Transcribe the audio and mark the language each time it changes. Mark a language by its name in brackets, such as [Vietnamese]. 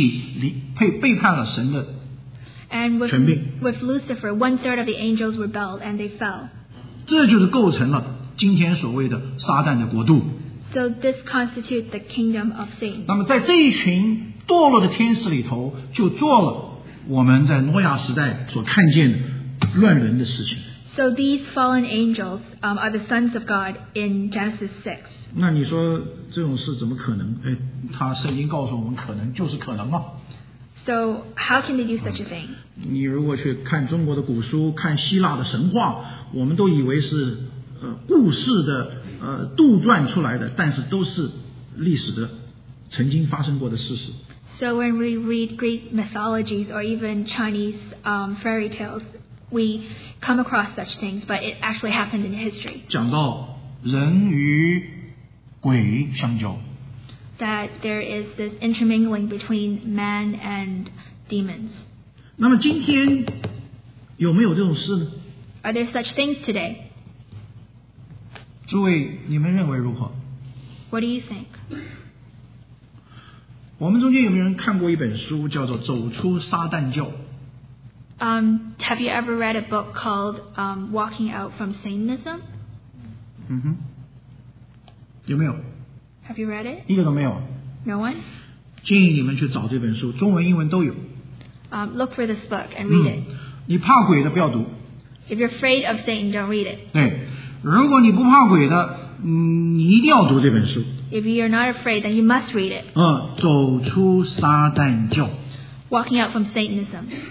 [Chinese] 那么这些堕落的天使不但第一个带头的是这一个天使长后面有三分之一的天使跟他一起背叛了神的 [English] And with Lucifer, one third of the angels rebelled and they fell. [Chinese] 这就是构成了今天所谓的撒旦的国度。 [English] So this constitutes the kingdom of Satan. [Chinese] 那么在这一群堕落的天使里头, 就做了我们在挪亚时代所看见乱伦的事情。 [English] So these fallen angels are the sons of God in Genesis 6. [Chinese] 那你说这种事怎么可能?哎, 他圣经告诉我们可能就是可能吗? [English] So how can they do such a thing? [Chinese] 你如果去看中国的古书, 看希腊的神话, 我们都以为是, 故事的, 杜撰出来的, 但是都是历史的曾经发生过的事实。 [English] So when we read Greek mythologies or even Chinese fairy tales, we come across such things, but it actually happened in history. [Chinese] 讲到人与鬼相交。 [English] That there is this intermingling between man and demons. [Chinese] 那么今天有没有这种事呢? [English] Are there such things today? [Chinese] 诸位,你们认为如何? [English] What do you think? [Chinese] 我们中间有没有人看过一本书叫做《走出撒旦教》? [English] Have you ever read a book called Walking Out from Satanism? [Chinese] Mm-hmm. 有没有? [English] Have you read it? [Chinese] 一个都没有。 [English] No one? [Chinese] 建议你们去找这本书, 中文英文都有。 [English] Look for this book and read it. [Chinese] 你怕鬼的不要读。 [English] If you're afraid of Satan, don't read it. [Chinese] 对, 如果你不怕鬼的, 你一定要读这本书。 [English] If you're not afraid, then you must read it. [Chinese] 走出撒旦教。 [English] Walking out from Satanism.